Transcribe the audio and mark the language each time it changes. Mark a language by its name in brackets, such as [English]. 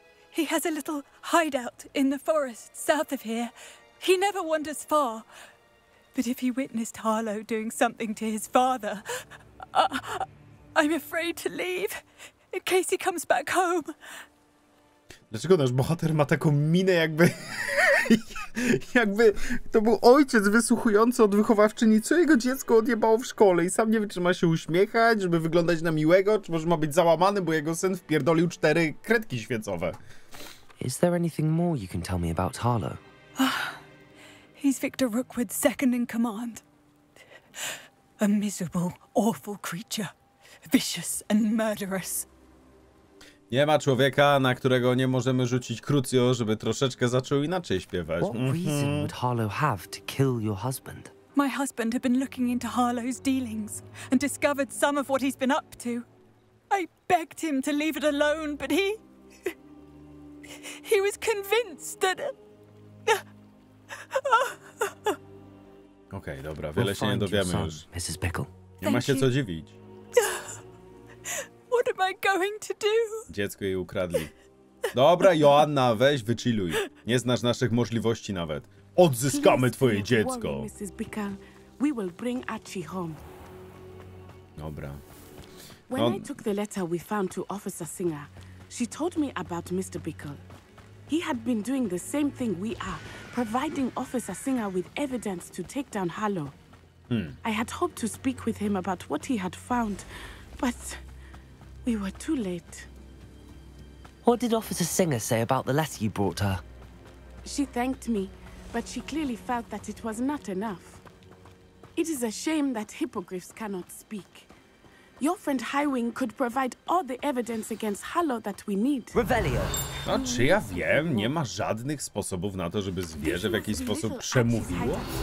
[English] He has a little hideout in the forest south of here. He never wanders far. But if he witnessed Harlow doing something to his father, I'm afraid to leave in case he comes back home. [Polish] Dlaczego nasz bohater ma taką minę, jakby... jakby to był ojciec wysłuchujący od wychowawczyni, co jego dziecko odjebało w szkole i sam nie wie, czy ma się uśmiechać, żeby wyglądać na miłego, czy może ma być załamany, bo jego syn wpierdolił 4 kredki świecowe. [English] Is there anything more you can tell me about Harlow? Oh, he's Victor Rookwood's second in command. A miserable, awful creature. Vicious and murderous. [Polish] Nie ma człowieka, na którego nie możemy rzucić krucjo, żeby troszeczkę zaczął inaczej śpiewać. [English] What reason would Harlow have to kill your husband? My husband had been looking into Harlow's dealings and discovered some of what he's been up to. I begged him to leave it alone, but he was convinced that. [Polish] Okej, dobra, wiele się nie dowiemy już. [English] Mrs. Bickle. [Polish] Nie ma się co dziwić. [English] What am I going to do? [Polish] Dziecko jej ukradli. Dobra, Joanna, weź, wychilluj. Nie znasz naszych możliwości nawet. Odzyskamy twoje dziecko. [English] We will bring Archie home. [Polish] Dobra. [English] When I took the letter we found to Officer Singer, she told me about Mr. Bickle. He had been doing the same thing we are, providing Officer Singer with evidence to take down Harlow. I had hoped to speak with him about what he had found, but... We were too late. What did Officer Singer say about the letter you brought her? She thanked me, but she clearly felt that it was not enough. It is a shame that hippogriffs cannot speak. Your friend Highwing could provide all the evidence against Harlow that we need. Rebellion. [Polish] No, czy ja wiem, nie ma żadnych sposobów na to, żeby zwierzę w jakiś sposób przemówiło?